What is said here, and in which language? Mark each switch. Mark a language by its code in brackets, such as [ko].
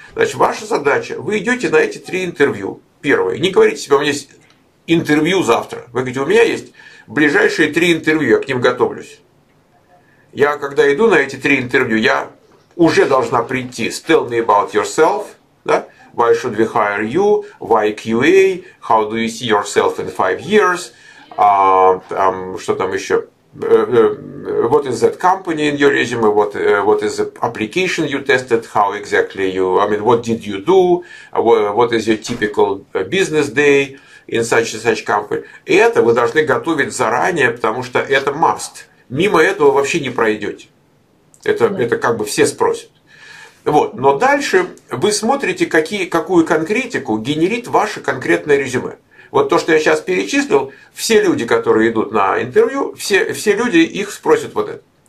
[ru] Значит, ваша задача, вы идете на эти 3 интервью. Первое. Не говорите себе, у меня есть интервью завтра. Вы говорите, у меня есть ближайшие 3 интервью, я к ним готовлюсь. Я, когда иду на эти 3 интервью, я уже должна прийти с [en] «Tell me about yourself», [ru] да? [en] Why should we hire you? Why QA? How do you see yourself in 5 years? [ru] Что там еще? [en] What is that company in your resume? What is the application you tested? How exactly you? I mean, what did you do? What is your typical business day in such and such company? [ru] И это вы должны готовить заранее, потому что это must. Мимо этого вообще не пройдете. Это как бы все спросят. Вот. Но дальше вы смотрите, какую конкретику генерит ваше конкретное резюме. Вот то, что я сейчас перечислил, все люди, которые идут на интервью, все люди их спросят вот это.